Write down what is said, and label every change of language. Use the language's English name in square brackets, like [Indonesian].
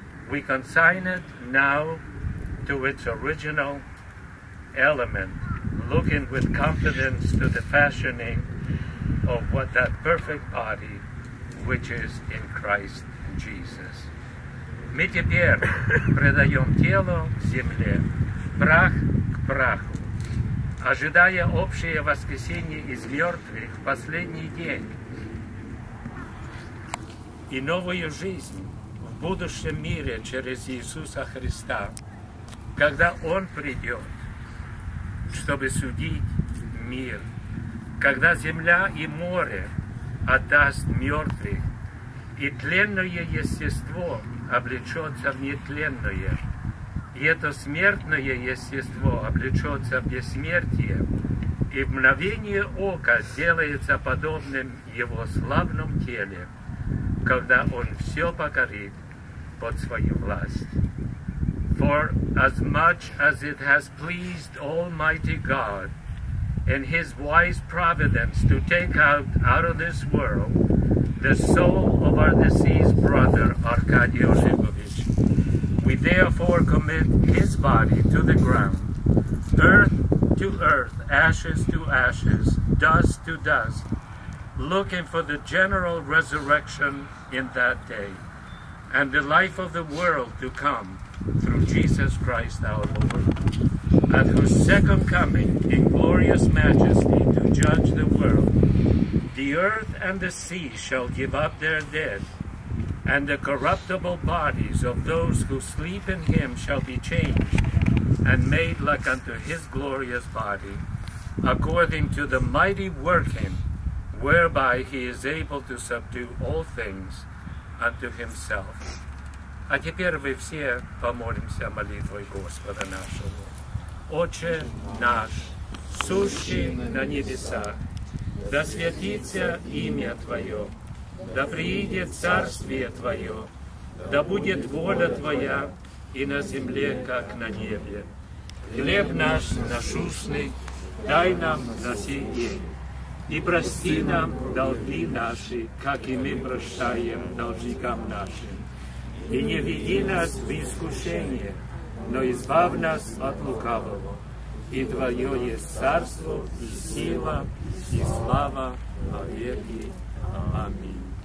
[English] We consign it now to its original element, looking with confidence to the fashioning of what that perfect body which is in Christ Jesus. [Russian] Мы теперь предаем тело земле, прах к праху, ожидая общее воскресение из мертвых в последний день и новую жизнь в будущем мире через Иисуса Христа, когда Он придет, чтобы судить мир, когда земля и море отдаст мертвых, и тленное естество облечется в нетленное, и это смертное естество облечется в бессмертие, и в мгновение ока сделается подобным его славном теле, когда он все покорит под свою власть. [English] For as much as it has pleased Almighty God in His wise providence to take out of this world the soul of our deceased brother Arkady Olegovich, we therefore commit his body to the ground, earth to earth, ashes to ashes, dust to dust, looking for the general resurrection in that day, and the life of the world to come, through Jesus Christ our Lord, at whose second coming in glorious majesty to judge the world, the earth and the sea shall give up their dead, and the corruptible bodies of those who sleep in him shall be changed and made like unto his glorious body, according to the mighty working whereby he is able to subdue all things unto himself. [Ukrainian] А тепер ми всі помолимося молитвою Господа нашого. Отче наш, сущий на небесах, да святиться ім'я Твоє, да приїде царствие Твоє, да буде воля Твоя і на землі, як на небі. Хліб наш насущний, дай нам на сей день. [Russian] И прости нам долги наши, как и мы прощаем должникам нашим. И не веди нас в искушение, но избавь нас от лукавого. И Твое есть царство, и сила, и слава во веки. Аминь.